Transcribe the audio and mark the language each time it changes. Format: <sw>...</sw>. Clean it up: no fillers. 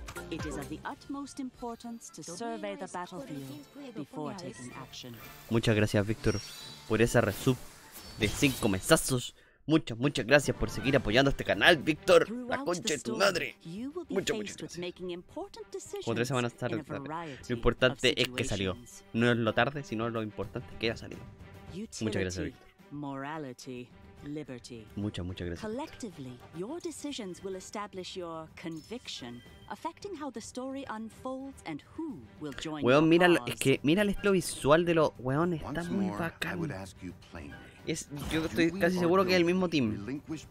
<en>It is of the utmost importance to survey the battlefield before taking action.</en> <es>Muchas gracias, Víctor, por esa resub de 5 mesazos. Muchas, muchas gracias por seguir apoyando este canal, Víctor. La concha de tu madre. Muchas, muchas gracias. Como 3 semanas tarde. Lo importante es que salió. No es lo tarde, sino lo importante que ha salido. Muchas gracias, Víctor.</es> <en>Morality, liberty.</en> <es>Muchas, muchas gracias.</es> <en>Collectively, your decisions will establish your conviction, affecting how the story unfolds and who will join.</en> <es>Weón, mira, es que mira el estilo visual de los weón, está muy bacán.</es> <en>I would ask you plainly,</en> <es>es, yo estoy casi seguro que es el mismo team.</es>